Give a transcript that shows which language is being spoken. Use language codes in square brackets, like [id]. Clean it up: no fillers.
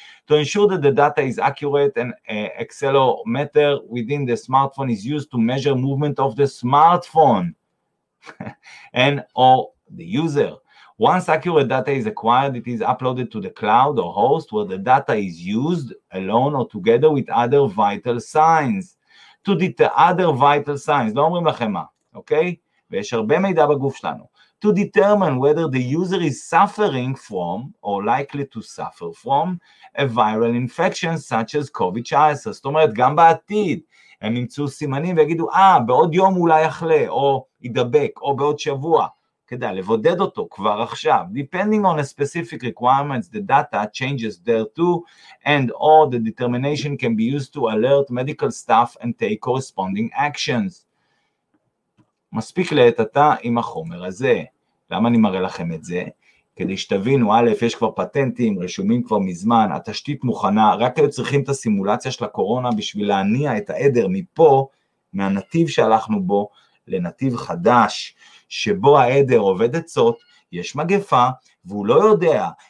[en] To ensure that the data is accurate and accelerometer within the smartphone is used to measure movement of the smartphone and or the user. Once accurate data is acquired, it is uploaded to the cloud or host where the data is used alone or together with other vital signs. To detect other vital signs, לא אומרים לכם מה, אוקיי? [he] ויש הרבה מידע בגוף שלנו. [en] To determine whether the user is suffering from, or likely to suffer from, a viral infection such as COVID-19. [he] זאת אומרת, גם בעתיד, הם ימצאו סימנים ויגידו, בעוד יום אולי יחלה, או ידבק, או בעוד שבוע, כדאי לבודד אותו כבר עכשיו. [en] Depending on a specific requirements, the data changes there too, and or the determination can be used to alert medical staff and take corresponding actions. [he] מספיק לעת אתה עם החומר הזה. למה אני מראה לכם את זה? כדי שתבינו, יש כבר פטנטים, רשומים כבר מזמן, התשתית מוכנה, רק היו צריכים את הסימולציה של הקורונה בשביל להניע את העדר מפה, מהנתיב שהלכנו בו, לנתיב חדש, שבו העדר עובד עצות, יש מגפה, והוא לא יודע,